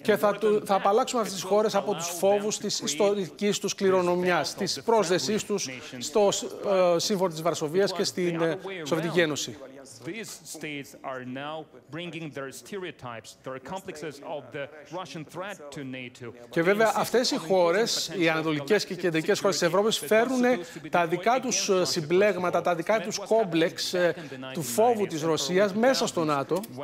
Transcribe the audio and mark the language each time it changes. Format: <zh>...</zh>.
<el>Και θα απαλλάξουμε αυτές τις χώρες από τους φόβους της ιστορικής τους κληρονομιάς, της πρόσδεσής τους στο σύμφωνο της Βαρσοβίας και στην Σοβιετική Ένωση.</el> <en>These states are now bringing their stereotypes, their complexes of the Russian threat to NATO.</en> <el>Και βέβαια αυτές οι χώρες, οι ανατολικές και οι κεντρικές χώρες της Ευρώπης, φέρουν τα δικά τους συμπλέγματα, τα δικά τους κόμπλεξ του φόβου της Ρωσίας μέσα στο ΝΑΤΟ.</el>